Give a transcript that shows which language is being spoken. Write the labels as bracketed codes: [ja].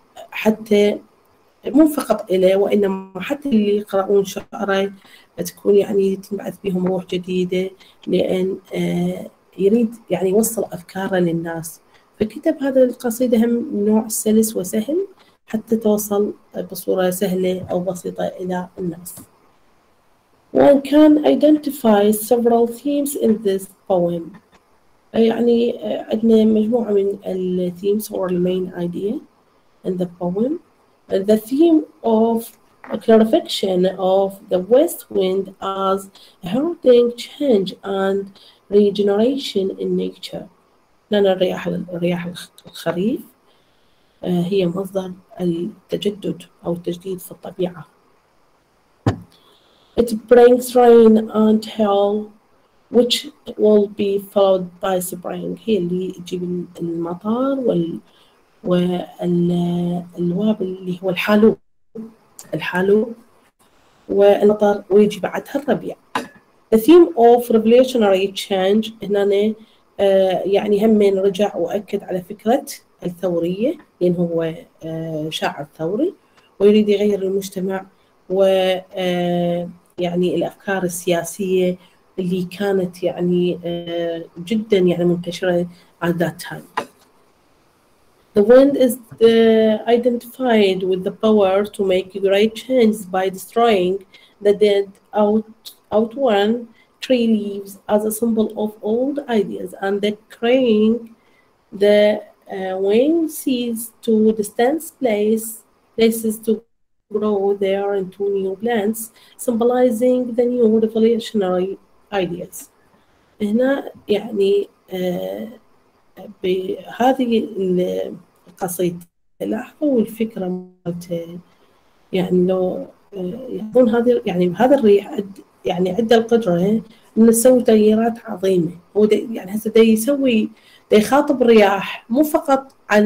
[ar] حتى مو فقط إليه وإنما حتى اللي يقرؤون شعره تكون يعني تنبعث بهم روح جديدة، لأن يريد يعني يوصل أفكاره للناس. فكتب هذا القصيدة هم نوع سلس وسهل حتى توصل بصورة سهلة أو بسيطة إلى الناس. [en] One can identify several themes in this poem. [ar] يعني عندنا مجموعة من الـ [en] themes or the main idea in the poem. The theme of a clarification of the west wind as heralding change and regeneration in nature. [ar] لأن الرياح الخريف هي مصدر التجدد أو التجديد في الطبيعة. [en] It brings rain and hail which will be followed by spring. [ar] هي اللي يجيب المطار والوابل اللي هو الحالو والمطار ويجي بعدها الربيع. [en] The theme of revolutionary change [ar] هنا يعني هم من رجع وأكد على فكرة الثورية، لأن هو شاعر ثوري ويريد يغير المجتمع ويعني الأفكار السياسية اللي كانت يعني جدا يعني منتشرة [en] at that time. The wind is identified with the power to make great changes by destroying the dead outworn tree leaves as a symbol of old ideas and the crane the wind seeds to distance places to grow there into new plants, symbolizing the new revolutionary ideas. [ar] هنا يعني بهذه القصيدة لاحظوا الفكرة مالت يعني لو يكون هذا يعني بهذا الريح يعني عدة القدرة نسوي تغييرات عظيمة، يعني هسه ده يسوي ده يخاطب الرياح مو فقط